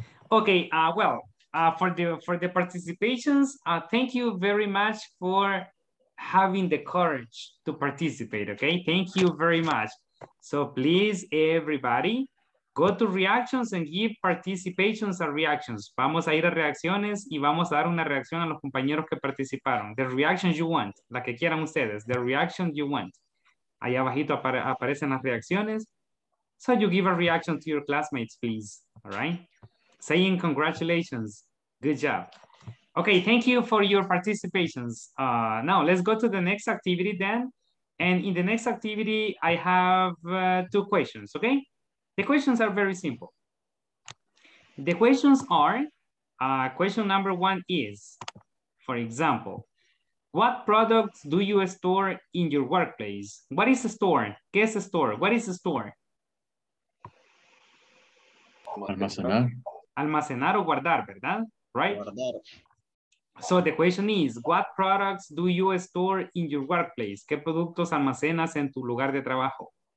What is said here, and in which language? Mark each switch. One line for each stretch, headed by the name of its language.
English: Okay, for the participations, thank you very much for having the courage to participate, okay? Thank you very much. So please, everybody, go to reactions and give participations and reactions.
Spanish: Vamos a ir a reacciones y vamos a dar una reacción a los compañeros que participaron.
English: The reactions you want,
Spanish: la que quieran ustedes,
English: the reaction you want.
Spanish: Allá abajito aparecen las reacciones.
English: So you give a reaction to your classmates, please, all right? Saying congratulations, good job. Okay, thank you for your participations. Now let's go to the next activity then. And in the next activity, I have two questions, okay? The questions are very simple. The questions are, question number one is, for example, what products do you store in your workplace? What is a store? ¿Qué es a store? What is a store?
Spanish: Almacenar. Almacenar o guardar, ¿verdad? Right? Guardar.
English: So the question is, what products do you store in your workplace?
Spanish: ¿Qué productos almacenas en tu lugar de trabajo?